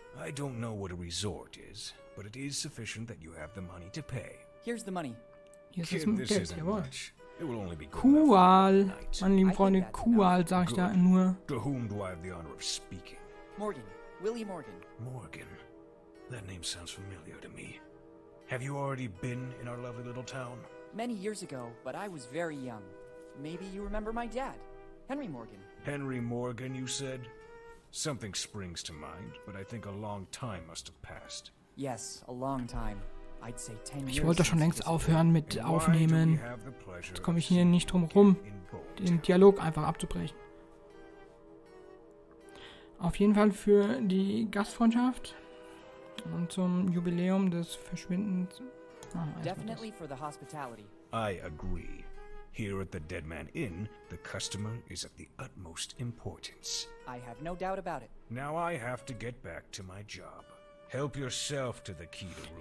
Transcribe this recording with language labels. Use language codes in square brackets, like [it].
[en] I don't know what a resort is, but it is sufficient that you have the money to pay. Here's the money. [de] Hier ist das Geld, jawohl. [en] It will only be [de] Kual, meine lieben Freunde, Kual, sag ich da nur. [en] To whom do I have the honor of speaking? Morgan, William Morgan. Morgan, that name sounds familiar to me. Have you already been in our lovely little town? Many years ago, but I was very young. Maybe you remember my dad, Henry Morgan. Henry Morgan, you said? Something springs to mind, but I think a long time must have passed. Yes, a long time. I'd say 10 years. [de] Ich wollte schon längst aufhören mit Aufnehmen. Jetzt komme ich hier nicht drum rum, den Dialog einfach abzubrechen. Auf jeden Fall für die Gastfreundschaft und zum Jubiläum des Verschwindens. [en] Definitely for the hospitality. I agree. Here at the Dead Man Inn, the customer is of the utmost importance. I have no doubt about it. Now I have to get back to my job. Help yourself to the key to room.